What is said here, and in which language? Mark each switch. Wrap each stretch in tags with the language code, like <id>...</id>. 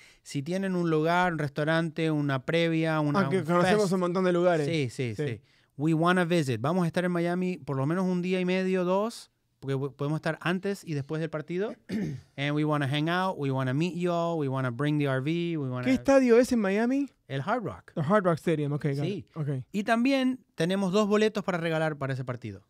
<es>Si tienen un lugar, un restaurante, una previa, una aunque conocemos fest. Un montón de lugares.</es> <en>Sí. We want to visit.</en> <es>Vamos a estar en Miami por lo menos un día y medio, dos, porque podemos estar antes y después del partido.</es> <en>And we want to hang out, we want to meet you all, we want to bring the RV.</en> <es>¿Qué estadio es en Miami? El Hard Rock.</es> <en>The Hard Rock Stadium, okay.</en> <es>Sí.</es> <en>Okay.</en> <es>Y también tenemos dos boletos para regalar para ese partido.</es>